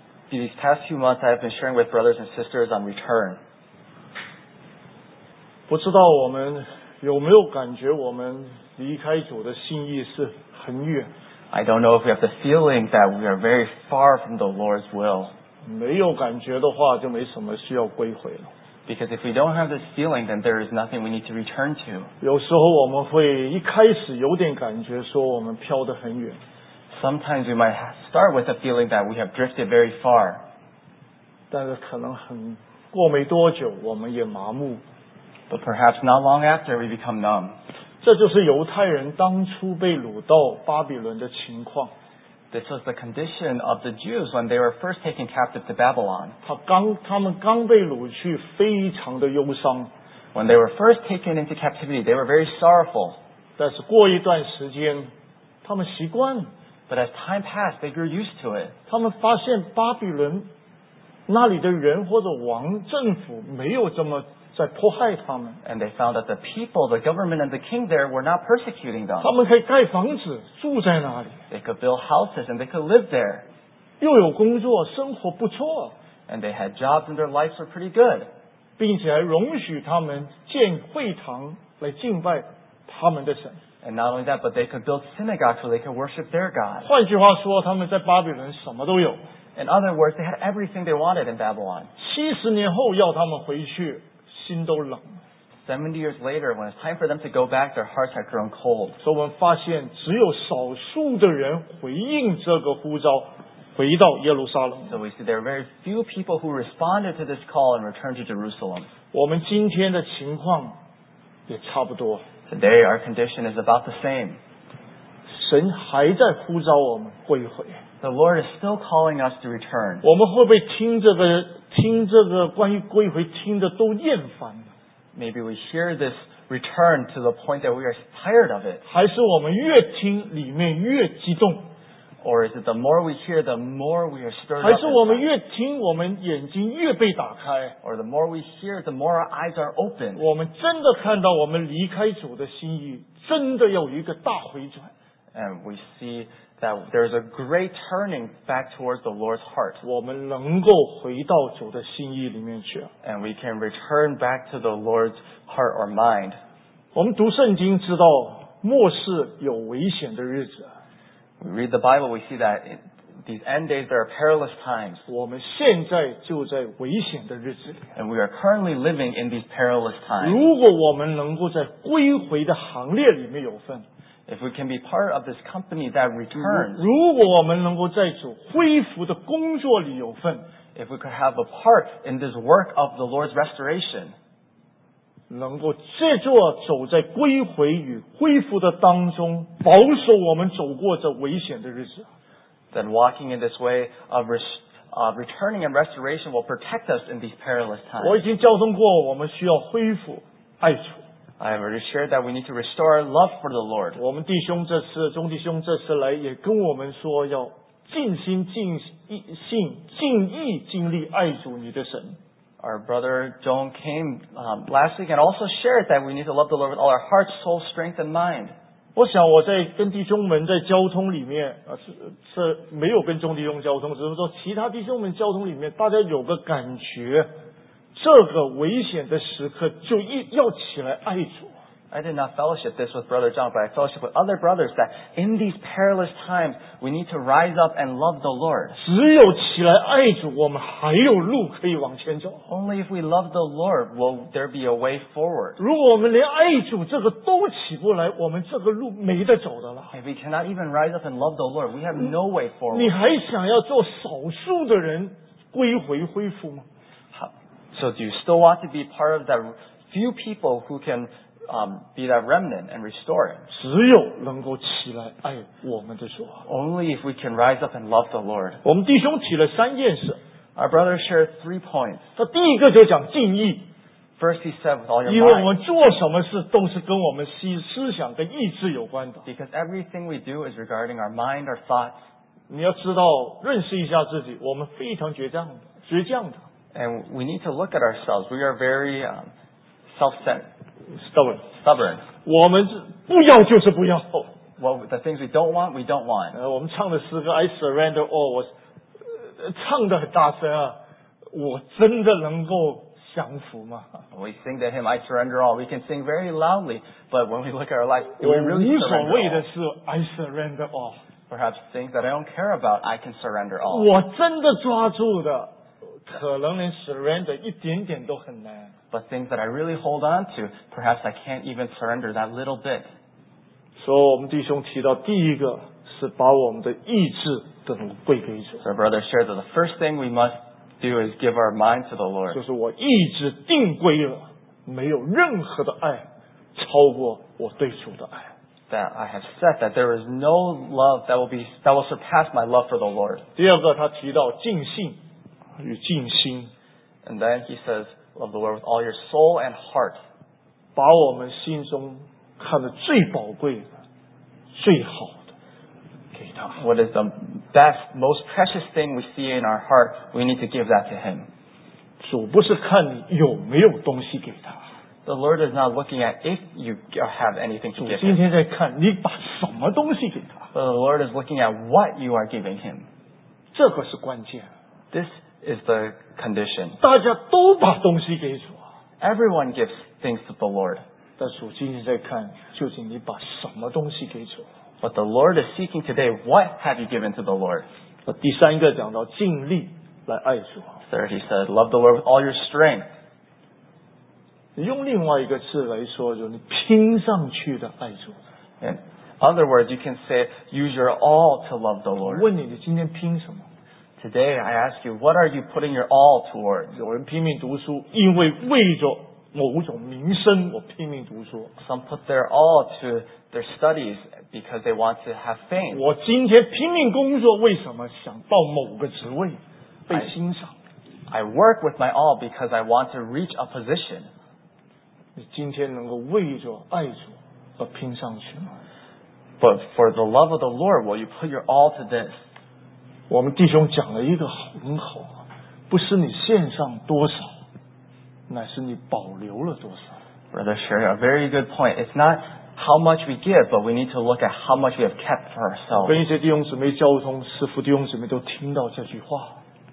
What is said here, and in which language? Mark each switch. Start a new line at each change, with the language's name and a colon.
English: These past few months I've been sharing with brothers and sisters on return.
Chinese: 不知道我们有没有感觉我们离开主的心意是很远。
English: I don't know if we have the feeling that we are very far from the Lord's will.
Chinese: 没有感觉的话就没什么需要归回了。
English: Because if we don't have this feeling, then there is nothing we need to return to.
Chinese: 有时候我们会一开始有点感觉说我们飘得很远。
English: Sometimes we might start with a feeling that we have drifted very far.
Chinese: 但是可能很过没多久我们也麻木。
English: But perhaps not long after we become numb.
Chinese: 这就是犹太人当初被掳到巴比伦的情况。
English: This was the condition of the Jews when they were first taken captive to Babylon.
Chinese: 他们刚被掳去非常的忧伤。
English: When they were first taken into captivity, they were very sorrowful.
Chinese: 但是过一段时间他们习惯。
English: But as time passed, they grew used to it.
Chinese: 他们发现巴比伦那里的人或者王政府没有这么在迫害他们。
English: And they found that the people, the government and the king there were not persecuting them.
Chinese: 他们可以盖房子住在那里。
English: They could build houses and they could live there.
Chinese: 又有工作生活不错。
English: And they had jobs and their lives were pretty good.
Chinese: 并且还容许他们建会堂来敬拜他们的神。
English: And not only that, but they could build synagogues so they could worship their God.
Chinese: 换句话说，他们在巴比伦什么都有。
English: In other words, they had everything they wanted in Babylon.
Chinese: 70年后要他们回去，心都冷。
English: 70 years later, when it's time for them to go back, their hearts had grown cold.
Chinese: 所以我们发现，只有少数的人回应这个呼召，回到耶路撒冷。
English: So we see there are very few people who responded to this call and returned to Jerusalem.
Chinese: 我们今天的情况也差不多。
English: Today, our condition is about the same.
Chinese: 神还在呼召我们归回。
English: The Lord is still calling us to return.
Chinese: 我们会不会听这个关于归回听的都厌烦了？
English: Maybe we hear this return to the point that we are tired of it.
Chinese: 还是我们越听里面越激动？
English: Or is it the more we hear, the more we are stirred up?
Chinese: 还是我们越听，我们眼睛越被打开？
English: Or the more we hear, the more our eyes are open.
Chinese: 我们真的看到我们离开主的心意真的有一个大回转。
English: And we see that there is a great turning back towards the Lord's heart.
Chinese: 我们能够回到主的心意里面去。
English: And we can return back to the Lord's heart or mind.
Chinese: 我们读圣经知道末世有危险的日子。
English: We read the Bible, we see that in these end days there are perilous times.
Chinese: 我们现在就在危险的日子里。
English: And we are currently living in these perilous times.
Chinese: 如果我们能够在归回的行列里面有份。
English: If we can be part of this company that returns.
Chinese: 如果我们能够在主恢复的工作里有份。
English: If we could have a part in this work of the Lord's restoration.
Chinese: 能够借着走在归回与恢复的当中保守我们走过这危险的日子。
English: Then walking in this way of returning and restoration will protect us in these perilous times.
Chinese: 我已经交通过我们需要恢复爱主。
English: I have already shared that we need to restore our love for the Lord.
Chinese: 我们弟兄这次中弟兄这次来也跟我们说要尽心尽性尽意尽力爱主你的神。
English: Our brother John came last week and also shared that we need to love the Lord with all our heart, soul, strength, and mind.
Chinese: 我想我在跟弟兄们在交通里面是没有跟中弟兄交通，只是说其他弟兄们交通里面，大家有个感觉，这个危险的时刻就要起来爱主。
English: I did not fellowship this with Brother John, but I fellowship with other brothers that in these perilous times, we need to rise up and love the Lord.
Chinese: 只有起来爱主，我们还有路可以往前走。
English: Only if we love the Lord, will there be a way forward.
Chinese: 如果我们连爱主这个都起不来，我们这个路没得走的了。
English: If we cannot even rise up and love the Lord, we have no way forward.
Chinese: 你还想要做少数的人归回恢复吗？
English: So do you still want to be part of the few people who can be that remnant and restore it.
Chinese: 只有能够起来爱我们的主。
English: Only if we can rise up and love the Lord.
Chinese: 我们弟兄提了三件事。
English: Our brother shared three points.
Chinese: 他第一个就讲敬意。
English: First he said with all your mind.
Chinese: 因为我们做什么事都是跟我们思想跟意志有关的。
English: Because everything we do is regarding our mind, our thoughts.
Chinese: 你要知道认识一下自己，我们非常倔强的。
English: And we need to look at ourselves. We are very self-centered. Stubborn. Stubborn.
Chinese: 我们不要就是不要。
English: Well, the things we don't want, we don't want.
Chinese: 我们唱的诗歌
English: I surrender all,
Chinese: 我唱的很大声啊，我真的能够降服吗？
English: We sing to him, I surrender all. We can sing very loudly, but when we look at our life, do we really surrender all?
Chinese: 我无所谓的是
English: I surrender all. Perhaps things that I don't care about, I can surrender all.
Chinese: 我真的抓住的，可能连 surrender 一点点都很难。
English: But things that I really hold on to, perhaps I can't even surrender that little bit.
Chinese: So, 我们弟兄提到第一个是把我们的意志都归给主。
English: So, brother shared that the first thing we must do is give our mind to the Lord.
Chinese: 就是我意志定归了，没有任何的爱超过我对主的爱。
English: That I have said that there is no love that will be that will surpass my love for the Lord.
Chinese: 第二个，他提到尽性与尽心。
English: And then he says. Love the Lord with all your soul and heart.
Chinese: 把我们心中看得最宝贵的、最好的给他。
English: What is the best, most precious thing we see in our heart? We need to give that to Him.
Chinese: 主不是看你有没有东西给他。
English: The Lord is not looking at if you have anything to give Him.
Chinese: 主今天在看你把什么东西给他。
English: But the Lord is looking at what you are giving Him.
Chinese: 这个是关键。
English: This is the condition.
Chinese: 大家都把东西给主。
English: Everyone gives things to the Lord.
Chinese: 但主今天在看，究竟你把什么东西给主？
English: But the Lord is seeking today, what have you given to the Lord?
Chinese: 第三个讲到尽力来爱主。
English: Third, he said, love the Lord with all your strength.
Chinese: 用另外一个字来说，就是你拼上去的爱主。
English: In other words, you can say, use your all to love the Lord.
Chinese: 问你今天拼什么？
English: Today, I ask you, what are you putting your all toward?
Chinese: 有人拼命读书，因为为着某种名声，我拼命读书。
English: Some put their all to their studies because they want to have fame.
Chinese: 我今天拼命工作，为什么想到某个职位被欣赏？
English: I work with my all because I want to reach a position.
Chinese: 你今天能够为着爱主而拼上去吗？
English: But for the love of the Lord, will you put your all to this?
Chinese: 我们弟兄讲了一个很好，不是你献上多少，乃是你保留了多少。
English: Brother Sherry, a very good point. It's not how much we give, but we need to look at how much we have kept for ourselves.
Chinese: 跟一些弟兄姊妹交通，师父弟兄姊妹都听到这句话。